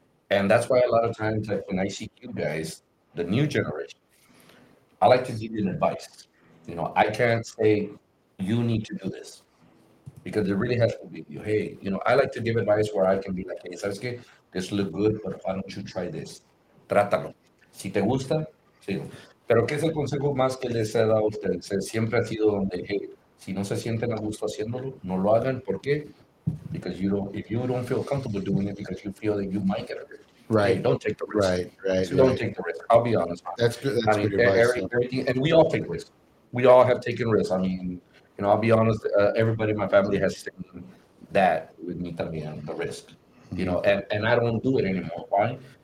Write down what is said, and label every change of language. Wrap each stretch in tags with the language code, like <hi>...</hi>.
<en>And that's why a lot of times when I see you guys, the new generation, I like to give you an advice. I can't say you need to do this. Because it really has to be you. Hey, I like to give advice where I can be like, hey,</en> <es>¿sabes qué?</es> <en>This look good, but why don't you try this?</en> <es>Trátalo. Si te gusta, sí. Pero ¿qué es el consejo más que les he dado a ustedes? Siempre ha sido donde, hey, si no se sienten a gusto haciéndolo, no lo hagan. ¿Por qué?</es> <en>Because if you don't feel comfortable doing it because you feel that you might get hurt. Right. Hey, don't take the risk. Right. So don't take the risk. I'll be honest. That's good advice. And we all take risks. We all have taken risks. I mean... I'll be honest, everybody in my family has seen that with me también, the risk, and I don't do it anymore. Why?</en>